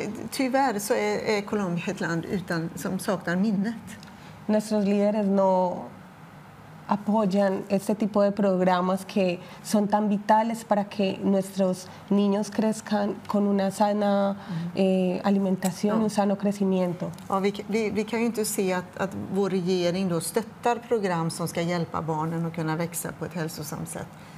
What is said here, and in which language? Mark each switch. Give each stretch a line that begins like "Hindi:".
Swedish: Tyvärr så är Colombia ett land utan, som saknar minnet.
Spanish: Nuestros líderes no apoyan este tipo de programas que son tan vitales para que nuestros niños crezcan con una sana alimentación, un sano crecimiento.
Swedish: Vi kan ju inte se att vår regering då stöttar program som ska hjälpa barnen att kunna växa på ett hälsosamt sätt.